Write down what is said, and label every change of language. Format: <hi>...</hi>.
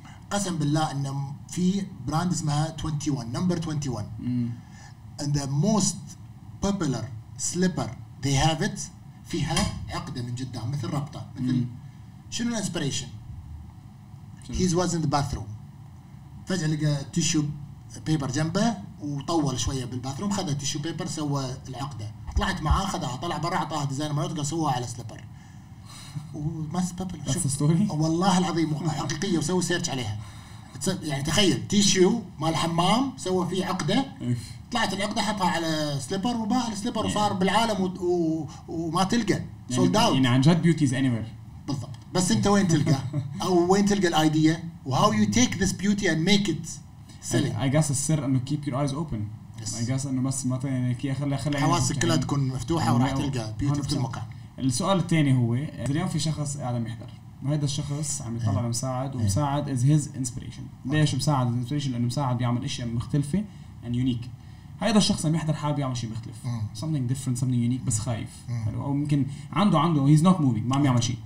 <ar>قسم بالله ان في براند اسمها 21 نمبر 21</ar> <en>and the most popular slipper they have it</en> <ar>فيها عقدة من جدام مثل ربطة مثل شنو الانسبيريشن؟</ar> <en>he was in the bathroom</en> <ar>فجأة لقى تيشو بيبر جنبه وطول شوية بالباثروم، خذ تيشو بيبر سوى العقدة، طلعت معاه خذها، طلع برا عطاها ديزاين مرات قال سووها على سليبر وماس بابل. والله العظيم حقيقية، وسوي سيرتش عليها. يعني تخيل تيشو مال حمام سوى فيه عقدة، طلعت العقدة حطها على سليبر وباع السليبر وصار بالعالم وما تلقى سولد اوت. يعني عن جد بيوتيز انيوير بالضبط. بس انت وين تلقى او وين تلقى الايديا؟</ar> <en>How you take this beauty and make it selling? I guess the secret is to keep your eyes open. Yes. I guess</en> <ar>أنه بس ما يعني كي خلي حواسك كلها تكون مفتوحة وراح تلقى beauty في المكان. السؤال الثاني هو اليوم في شخص قاعد يحضر، وهذا الشخص عم يطلع لمساعد ومساعد</ar> <en>is his inspiration.</en> <ar>ليش مساعد inspiration؟ لأنه مساعد بيعمل أشياء مختلفة</ar> <en>and unique.</en> <ar>هذا الشخص عم يحضر حابب يعمل شيء مختلف</ar> <en>something different something unique</en> <ar>بس خايف أو ممكن عنده</ar> <en>he's not moving</en> <ar>ما عم يعمل شيء.</ar>